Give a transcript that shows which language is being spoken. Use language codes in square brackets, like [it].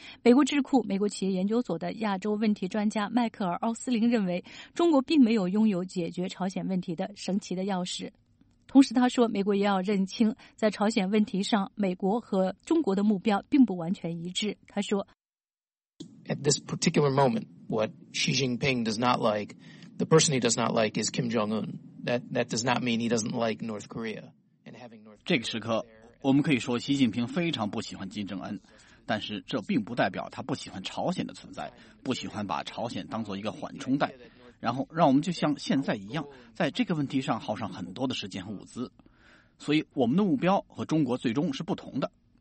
[zh] 美国智库美国企业研究所的亚洲问题专家迈克尔·奥斯林认为，中国并没有拥有解决朝鲜问题的神奇的钥匙。同时他说，美国也要认清在朝鲜问题上美国和中国的目标并不完全一致。他说， [en] At this particular moment, what Xi Jinping does not like, the person he does not like is Kim Jong-un. That does not mean he doesn't like North Korea. And having North Korea. [zh] 这个时刻，我们可以说习近平非常不喜欢金正恩，但是这并不代表他不喜欢朝鲜的存在，不喜欢把朝鲜当作一个缓冲带。然后，让我们就像现在一样，在这个问题上耗上很多的时间和物资。所以，我们的目标和中国最终是不同的。